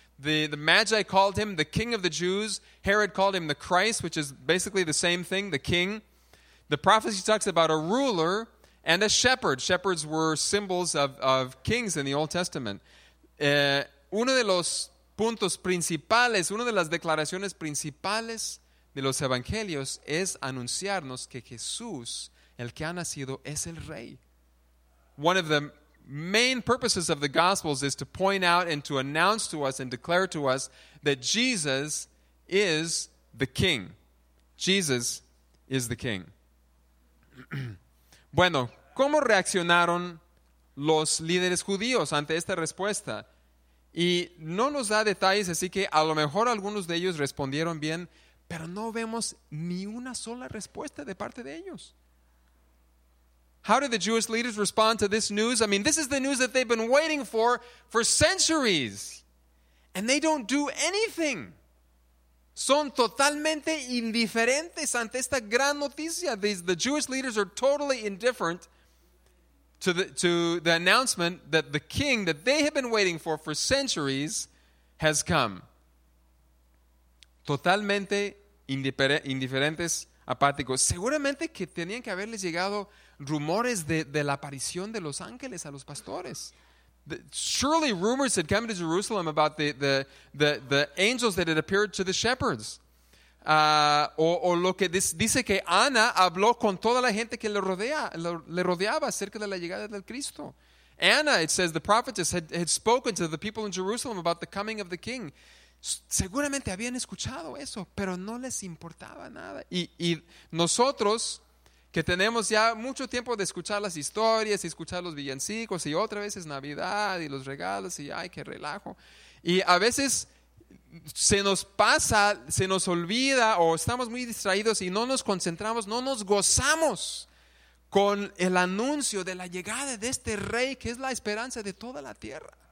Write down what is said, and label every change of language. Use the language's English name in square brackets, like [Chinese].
[English] The Magi called him the king of the Jews. Herod called him the Christ, which is basically the same thing, the king. The prophecy talks about a ruler and a shepherd. Shepherds were symbols of kings in the Old Testament. [Spanish] Uno de los puntos principales, una de las declaraciones principales de los evangelios es anunciarnos que Jesús, el que ha nacido, es el rey. [English] one of the main purposes of the Gospels is to point out and to announce to us and declare to us that Jesus is the King. Jesus is the King. [Spanish] Bueno, ¿cómo reaccionaron los líderes judíos ante esta respuesta? Y no nos da detalles, así que a lo mejor algunos de ellos respondieron bien, pero no vemos ni una sola respuesta de parte de ellos. [English] How did the Jewish leaders respond to this news? I mean, this is the news that they've been waiting for centuries. And they don't do anything. [Spanish] Son totalmente indiferentes ante esta gran noticia. [English] The Jewish leaders are totally indifferent to the announcement that the king that they have been waiting for centuries has come. [Spanish] Totalmente indiferentes, apáticos. Seguramente que tenían que haberles llegado rumores de la aparición de los ángeles a los pastores. [English] Surely rumors had come to Jerusalem about the angels that had appeared to the shepherds. [Spanish] O lo que dice que Ana habló con toda la gente que le rodeaba acerca de la llegada del Cristo. [English] Anna, it says, the prophetess had spoken to the people in Jerusalem about the coming of the king. [Spanish] Seguramente habían escuchado eso, pero no les importaba nada. Y nosotros, que tenemos ya mucho tiempo de escuchar las historias y escuchar los villancicos y otra vez es Navidad y los regalos y ¡ay, qué relajo! Y a veces se nos pasa, se nos olvida o estamos muy distraídos y no nos concentramos, no nos gozamos con el anuncio de la llegada de este rey que es la esperanza de toda la tierra.